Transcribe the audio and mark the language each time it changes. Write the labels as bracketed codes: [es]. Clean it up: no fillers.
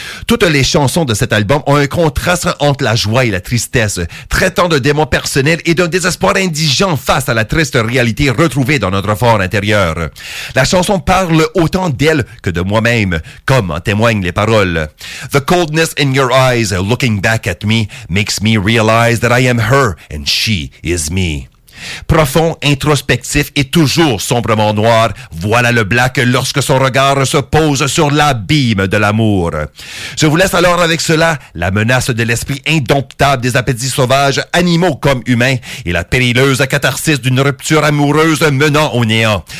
[fr] Toutes les chansons de cet album ont un contraste entre la joie et la tristesse, traitant de démons personnels et d'un désespoir indigent face à la triste réalité retrouvée dans notre fort intérieur. La chanson parle autant d'elle que de moi-même, comme en témoignent les paroles. [en] The coldness in your eyes, looking back at me, makes me realize that I am her and she is me. [fr] Profond, introspectif et toujours sombrement noir, voilà le Black lorsque son regard se pose sur l'abîme de l'amour. Je vous laisse alors avec cela, la menace de l'esprit indomptable des appétits sauvages, animaux comme humains, et la périlleuse catharsis d'une rupture amoureuse menant au néant.